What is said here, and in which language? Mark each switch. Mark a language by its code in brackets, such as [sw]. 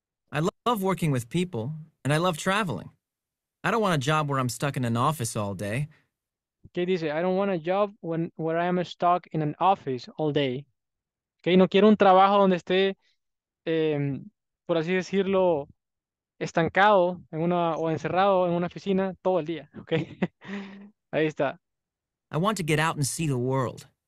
[en] I love working with people, and I love traveling. I don't want a job where I'm stuck in an office all day. Okay, dice, I don't want a job where I am stuck in an office all day. [es] Okay, no quiero un trabajo donde esté, por así decirlo, estancado en una o encerrado en una oficina todo el día. Okay, ahí está. [en] I want to get out and see the world.